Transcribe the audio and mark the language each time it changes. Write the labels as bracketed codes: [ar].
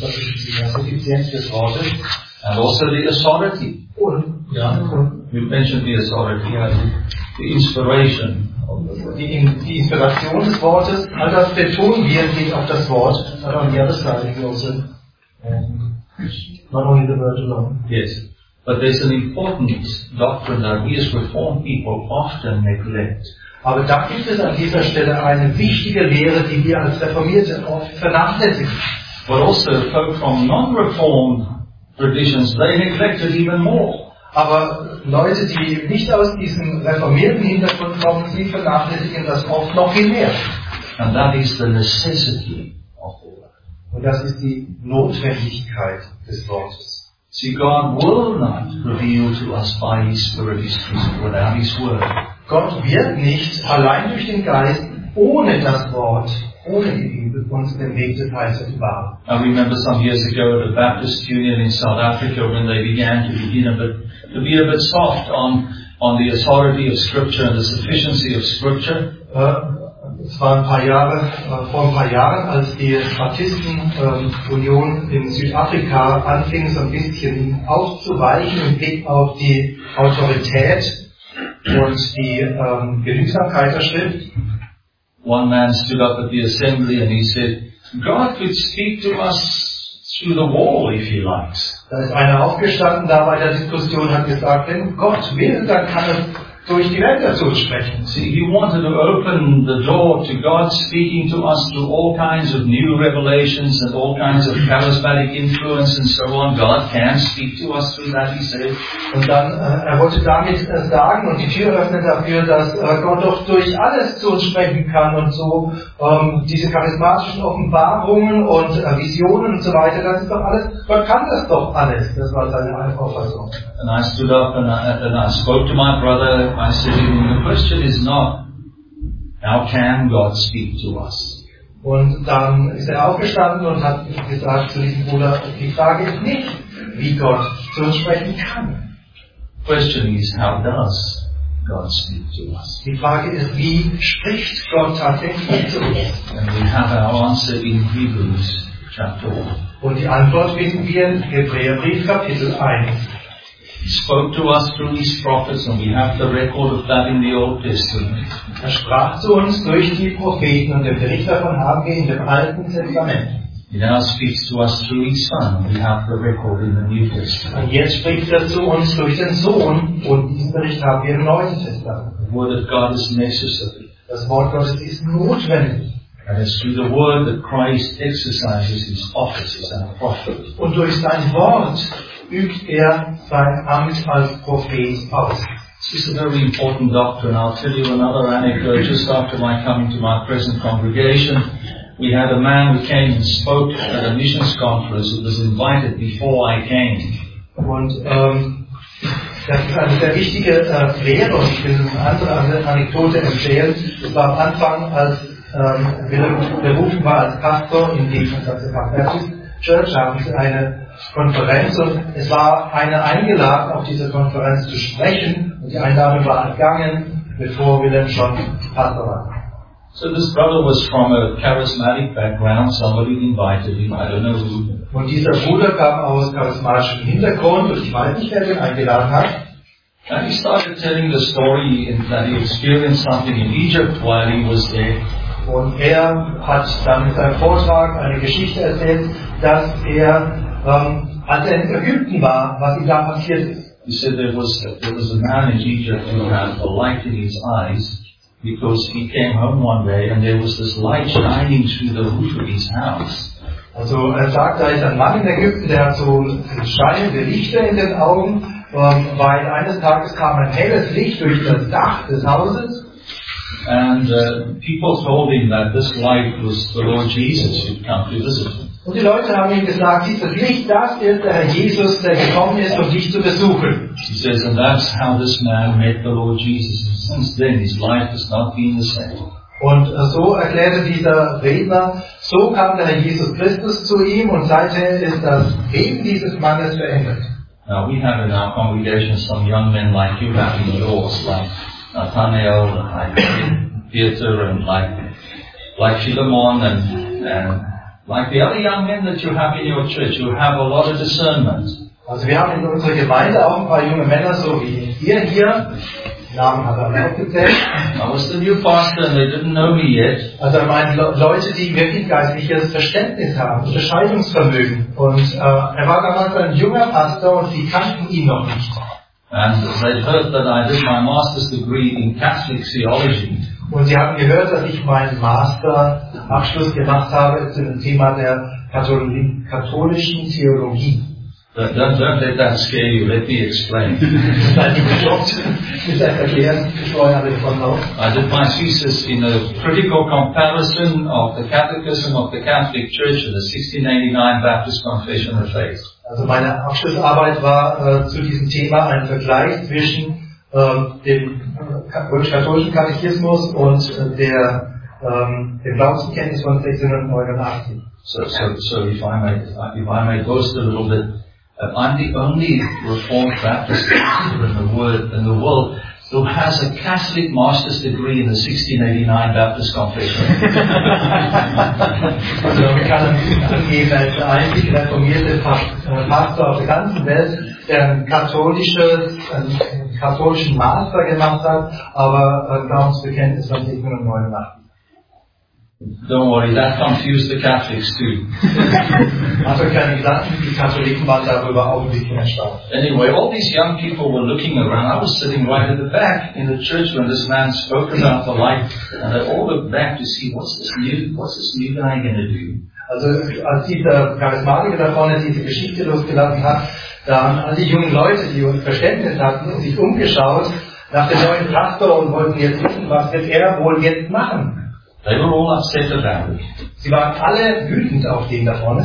[de] Das ist die Suffizienz des Wortes. [en] And also the authority. You mentioned the authority, the inspiration. [de] Die Inspiration des Wortes, all das betonen wir, geht auf das Wort. [en] But on the other side, we also, not only the word alone. Yes, but there's an important doctrine that we as Reformed people often neglect. [de] Aber da gibt es an dieser Stelle eine wichtige Lehre, die wir als Reformierte oft vernachlässigen. [en] But also, folk from non-Reformed traditions, they neglected even more. [de] Aber Leute, die nicht aus diesem reformierten Hintergrund kommen, sie vernachlässigen das oft noch viel mehr. [en] And that is the necessity of the word. [de] Und das ist die Notwendigkeit des Wortes. [en] See, God will not reveal to us by His Spirit, His truth, without His Word. [de] Gott wird nicht allein durch den Geist, ohne das Wort, ohne die Bibel, uns den Weg des Heils bahnen. [en] I remember some years ago at the Baptist Union in South Africa when they began to begin a bit, to be a bit soft on the authority of Scripture and the sufficiency of Scripture. [de] Es war ein paar Jahre, vor ein paar Jahren, als die Baptistenunion in Südafrika anfing, so ein bisschen aufzuweichen im Blick auf die Autorität und die Genügsamkeit der Schrift. [en] One man stood up at the assembly and he said, God could speak to us through the wall if he likes. [de] Da ist einer aufgestanden, da bei der Diskussion hat gesagt, wenn Gott will, dann kann er durch die Wände zu sprechen. [en] See, he wanted to open the door to God speaking to us through all kinds of new revelations and all kinds of charismatic influence and so on. God can speak to us through that, he said. [de] Und dann, er wollte damit sagen und die Tür öffnen dafür, dass Gott doch durch alles zu uns sprechen kann und so diese charismatischen Offenbarungen und Visionen und so weiter, das ist doch alles, Gott kann das doch alles. Das war seine Auffassung. [en] And I stood up and I spoke to my brother. I said, the question is not, how can God speak to us? [de] Und dann ist er aufgestanden und hat gesagt zu diesem Bruder, die Frage ist nicht, wie Gott zu uns sprechen kann. [en] The question is, how does God speak to us? [de] Die Frage ist, wie spricht Gott tatsächlich zu uns? [en] And we have our answer in Hebrews chapter 1. [de] Und die Antwort finden wir in Hebräerbrief Kapitel 1. [en] He spoke to us through his prophets, and we have the record of that in the Old Testament. [de] Er sprach zu uns durch die Propheten, und den Bericht davon haben wir in dem Alten Testament. [en] He now speaks to us through his Son, and we have the record in the New Testament. [de] Und jetzt spricht er zu uns durch den Sohn, und diesen Bericht haben wir im Neuen Testament. [en] The Word of God is necessary. [de] Das Wort Gottes ist notwendig. [en] And it's through the Word that Christ exercises his offices as a prophet. [de] Und durch sein Wort übt er sein Amt als Prophet aus. [en] This is a very important doctrine. I'll tell you another anecdote. Just after my coming to my present congregation, we had a man who came and spoke at a missions conference who was invited before I came. [de] Und das ist eine sehr wichtige Lehre. Ich will eine andere Anekdote erzählen. Es war am Anfang, als berufen war als Pastor in die Baptist Church, haben sie eine Konferenz und es war einer eingeladen, auf diese Konferenz zu sprechen und die Einladung war entgangen, bevor wir dann schon Pastor waren. [en] So this brother was from a charismatic background, somebody invited him, I don't know who. [de] Und dieser Bruder kam aus charismatischem Hintergrund und ich weiß nicht, wer ihn eingeladen hat. [en] And he started telling the story that he experienced something in Egypt while he was there. [de] Und er hat dann in seinem Vortrag eine Geschichte erzählt, dass er als er in Ägypten war, was ihm da passiert ist. [en] He said there was a man in Egypt who had a light in his eyes, because he came home one day and there was this light shining through the roof of his house. [de] Also er sagt, da ist ein Mann in Ägypten, der hat so scheinende Lichter in den Augen, weil eines Tages kam ein helles Licht durch das Dach des Hauses. [en] And people told him that this light was the Lord Jesus who had come to visit him. [de] Und die Leute haben ihm gesagt, dieses Licht, das ist der Herr Jesus, der gekommen ist, um dich zu besuchen. [en] He says, and that's how this man met the Lord Jesus. Since then, his life has not been the same. [de] Und so erklärte dieser Redner, so kam der Herr Jesus Christus zu ihm und seitdem ist das Leben dieses Mannes verändert. [en] Now we have in our congregation some young men like you have in yours, like Nathaniel, like Peter, and like Philemon, and like the other young men that you have in your church, you have a lot of discernment. [de] Also wir haben in unserer Gemeinde auch ein paar junge Männer, so wie hier. Namen hat er auch gezählt. [en] I was the new pastor and they didn't know me yet. [de] Also meine Leute, die wirklich geistliches Verständnis haben, Unterscheidungsvermögen. Und er war damals ein junger Pastor und sie kannten ihn noch nicht. [en] And they heard that I did my master's degree in Catholic theology. [de] Und sie haben gehört, dass ich meinen Masterabschluss gemacht habe zu dem Thema der katholischen Theologie. [en] Don't let that scare you. Let me explain. I did my thesis in a critical comparison of the Catechism of the Catholic Church and the 1689 Baptist Confession of Faith. [de] Also meine Abschlussarbeit war zu diesem Thema ein Vergleich zwischen dem römisch-katholischen Katechismus und dem Glaubenskenntnis von 1689. [en] So if I may boast a little bit, I'm the only Reformed Baptist in the world who has a Catholic master's degree in the 1689 Baptist Confession. [de] Also kann ich angeben, als der einzige reformierte Pastor auf der ganzen Welt, der einen katholischen Master gemacht hat, aber Glaubensbekenntnis von 1689. [en] Don't worry, that confused the Catholics too. [de] Also keine Gedanken, die Katholiken waren darüber auch ein bisschen erstaunt. [en] Anyway, all these young people were looking around. I was sitting right at the back in the church when this man spoke about the light, and they all looked back to see what's this new guy going to do. [de] Also als dieser Charismatiker da vorne diese Geschichte losgelassen hat, da haben all die jungen Leute, die uns Verständnis hatten, sich umgeschaut nach dem neuen Pastor und wollten jetzt wissen, was wird er wohl jetzt machen. [en] They were all upset about it. [de] Sie waren alle wütend auf den da vorne.